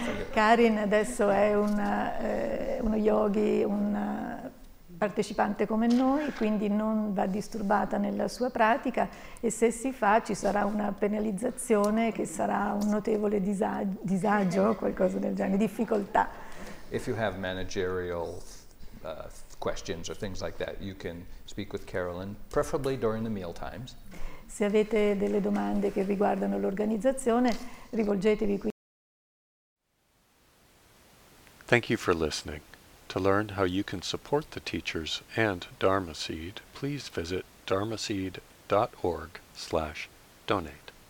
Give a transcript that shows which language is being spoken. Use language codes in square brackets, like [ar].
[it] Karen adesso è uno yogi, un partecipante come noi, quindi non va disturbata nella sua pratica, e se si fa ci sarà una penalizzazione che sarà un notevole disagio o qualcosa del genere, difficoltà. [en] If you have managerial questions or things like that, you can speak with Carolyn, preferably during the meal times. [it] Se avete delle domande che riguardano l'organizzazione, rivolgetevi qui. [en] Thank you for listening. To learn how you can support the teachers and Dharma Seed, please visit dharmaseed.org/donate.